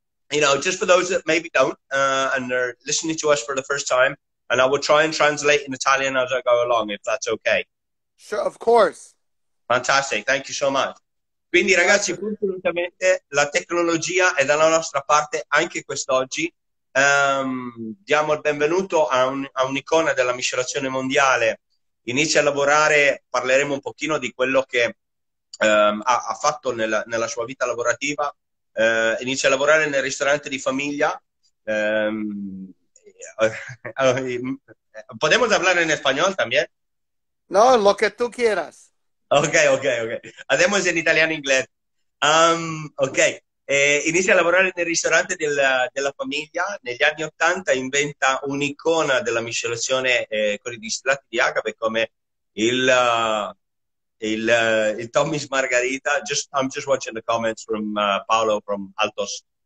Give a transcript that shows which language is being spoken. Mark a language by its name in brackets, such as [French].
[English] You know, just for those that maybe don't, and they're listening to us for the first time, and I will try and translate in Italian as I go along, if that's okay. Sure, of course. Fantastic, thank you so much. [Italian] Quindi, ragazzi, [English] Pleasure. [Italian] fortunatamente la tecnologia è dalla nostra parte anche quest'oggi. Diamo il benvenuto a un'icona della miscelazione mondiale. Inizia a lavorare, parleremo un pochino di quello che ha fatto nella sua vita lavorativa. Inizia a lavorare nel ristorante di famiglia. [Spanish] Podemos hablar en español también? No, lo que tú quieras. Ok. Hablemos en italiano e inglese. Ok. [Italian] Inizia a lavorare nel ristorante della famiglia. Negli anni 80 inventa un'icona della miscelazione con i distillati di agave come il Tommy's Margarita. [English] I'm just watching the comments from Paolo from Altos.